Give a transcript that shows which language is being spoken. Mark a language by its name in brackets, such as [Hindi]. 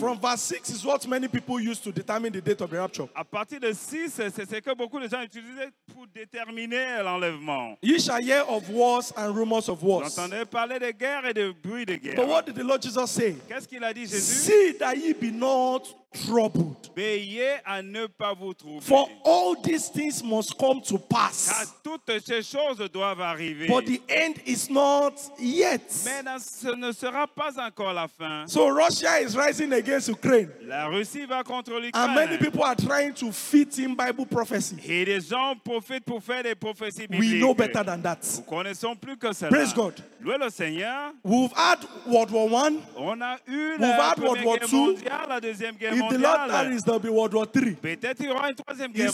[English] Now from verse 6 is what many people use to determine the date of the rapture. [French] À partir de 6, c'est ce que beaucoup de gens utilisent pour déterminer l'enlèvement. [English] You shall hear of wars and rumors of wars. [French] J'entendais parler de guerre et de bruit de guerre. [English] But what did the Lord Jesus say? [French] Qu'est-ce qu'il a dit Jésus? [English] See that ye be not troubled. [French] Veillez à ne pas vous troubler. [English] For all these things must come to pass. [French] Car toutes ces choses doivent arriver. [English] But the end is not yet. [French] Mais ce ne sera pas encore la fin. [English] So Russia is rising against Ukraine. [French] La Russie va contre l'Ukraine. [English] And many people are trying to fit in Bible prophecy. [French] Et des gens profitent pour faire des prophéties bibliques. [English] We know better than that. [French] Nous connaissons plus que cela. [English] Praise God. [French] Louez le Seigneur. [English] We've had World War One. [French] On a eu [English] We've [French] la [English] had World War Two. [French] Mondiale, la deuxième guerre [English] If the Lord tarries, there will be World War III. [French] Peut-être il y aura une troisième guerre